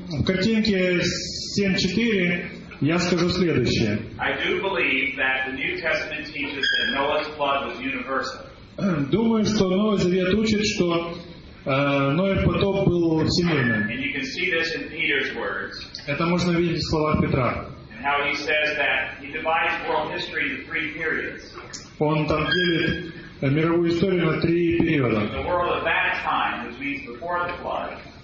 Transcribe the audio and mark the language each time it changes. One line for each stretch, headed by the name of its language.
Russian: В картинке 7.4 я скажу следующее.
English: I do believe that the New Testament teaches that Noah's flood was universal.
Russian: Думаю, что Новый Завет учит, что Ноев потоп был всемирным.
English: And you can see this in Peter's words.
Russian: Это можно видеть в словах Петра.
English: And how he says that he divides world history into three periods.
Russian: Он там делит мировую историю на три периода.
English: The world of that time, which means before the flood.